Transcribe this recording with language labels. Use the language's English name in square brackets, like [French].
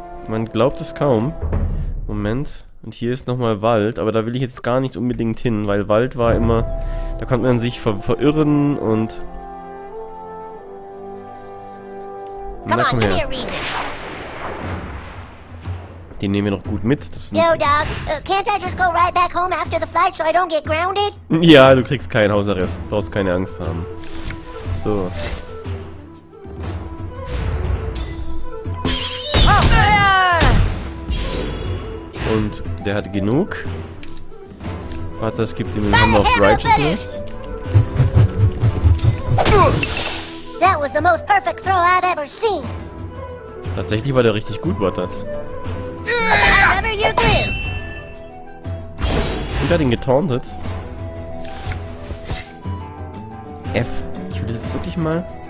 [German] Man glaubt es kaum. Moment. Und hier ist nochmal Wald, aber da will ich jetzt gar nicht unbedingt hin, weil Wald war immer... Da konnte man sich verirren und... Na, komm her. Den nehmen wir noch gut mit. Das [English] Yo, Doug, can't I just go right back home after the flight so I don't get grounded? [German] Ja, du kriegst keinen Hausarrest. Du brauchst keine Angst haben. So. Oh. Und der hat genug. Vater, es gibt ihm den Hammer of Righteousness. [English] That was the most perfect throw I've ever seen. [German] Tatsächlich war der richtig gut, war das. Und er hat ihn getauntet. F. Ich will das jetzt wirklich mal.